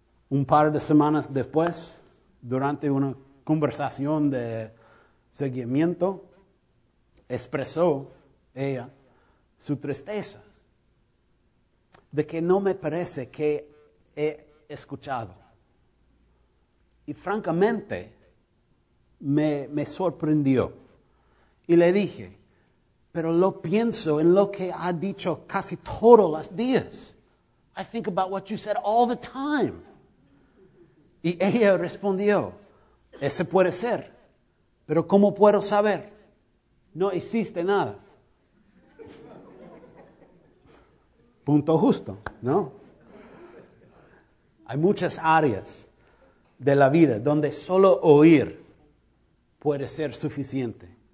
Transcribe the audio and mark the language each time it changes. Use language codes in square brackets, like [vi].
[es] Un par de semanas después, durante una conversación de seguimiento, expresó ella su tristeza de que no me parece que he escuchado. Y francamente, me sorprendió. Y le dije, pero lo pienso en lo que ha dicho casi todos los días. [en] I think about what you said all the time. [es] Y ella respondió, ese puede ser, pero ¿cómo puedo saber? No hiciste nada. Punto justo, ¿no? Hay muchas áreas de la vida donde solo oír puede ser suficiente.